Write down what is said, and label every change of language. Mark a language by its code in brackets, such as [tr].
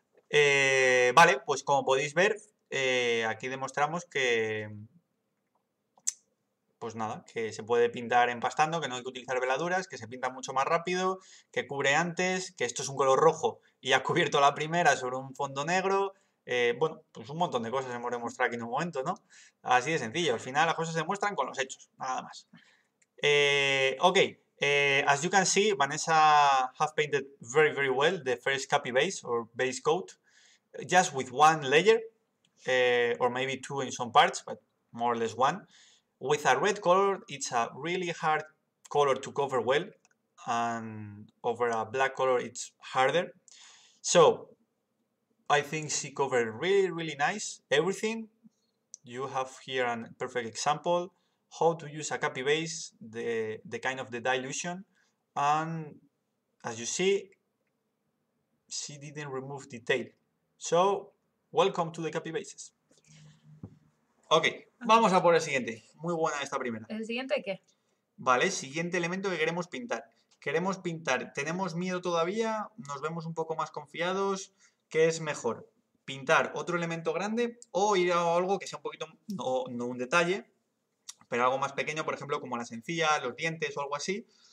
[es] Vale, pues como podéis ver, aquí demostramos que, pues nada, que se puede pintar empastando, que no hay que utilizar veladuras, que se pinta mucho más rápido, que cubre antes, que esto es un color rojo y ha cubierto la primera sobre un fondo negro. Bueno, pues un montón de cosas hemos demostrado aquí en un momento, ¿no? Así de sencillo. Al final las cosas se muestran con los hechos, nada más. [en] Ok, as you can see, Vanessa has painted very, very well the first capi base or base coat, just with one layer, or maybe two in some parts, but more or less one. With a red color, it's a really hard color to cover well, and over a black color, it's harder. So, I think she covered really, really nice everything. You have here a perfect example how to use a capy base, the kind of the dilution. And as you see, she didn't remove detail. So, welcome to the capy bases. [es] Ok, vamos a por el siguiente. Muy buena esta primera. ¿El siguiente qué? Vale, siguiente elemento que queremos pintar. Queremos pintar. ¿Tenemos miedo todavía? ¿Nos vemos un poco más confiados? ¿Qué es mejor? ¿Pintar otro elemento grande o ir a algo que sea un poquito, no un detalle, pero algo más pequeño, por ejemplo, como las encías, los dientes o algo así?